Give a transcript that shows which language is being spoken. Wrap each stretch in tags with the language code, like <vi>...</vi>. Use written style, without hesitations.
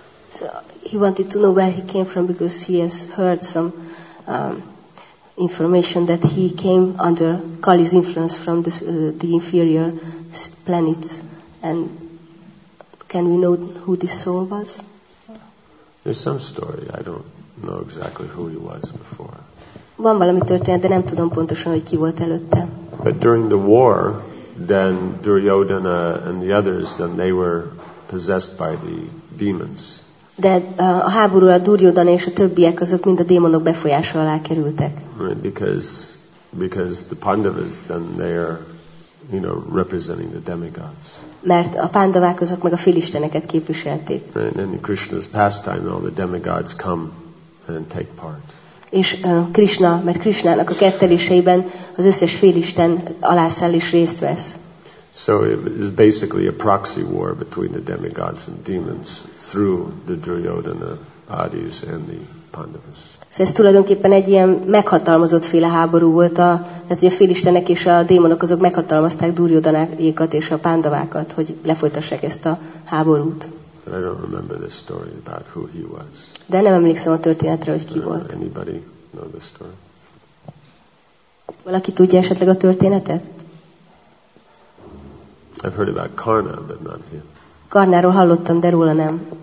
<en>So he wanted to know where he came from because he has heard some information that he came under Kali's influence from the inferior planets. And can we know who this soul was? There's some story. I don't know exactly who he was before.</en> <hu>Van valami történet, de nem tudom pontosan, hogy ki volt előtte.</hu> <en>But during the war, then Duryodhana and the others, then they were possessed by the demons.</en> <hu>De a háború, a Duryodhana és a többiek, azok mind a démonok befolyása alá kerültek.</hu> <en>Right, because the Pandavas, then they are, you know, representing the demigods.</en> <hu>Mert a Pandavák, azok meg a félisteneket képviselték.</hu> <en>Right, and in Krishna's pastime, all the demigods come and take part.</en> <hu>És Krishna, mert Krishnának a ketteléseiben az összes félisten alászáll és részt vesz.</hu> <en>So it is basically a proxy war between the demigods and demons through the Duryodhana, Adis and the Pandavas.</en> <hu>Szóval ez tulajdonképpen egy ilyen meghatalmazott féle háború volt, tehát hogy a félistenek és a démonok azok meghatalmazták Duryodhanaékat és a Pandavákat, hogy lefolytassák ezt a háborút.</hu> <en>But I don't remember the story about who he was.</en> <hu>De nem emlékszem a történetre, hogy ki volt.</hu> <en>Anybody know the story?</en> <hu>Valaki tudja esetleg a történetet?</hu> <en>I've heard about Karna, but not him.</en> <hu>Karnáról hallottam, de róla nem.</hu>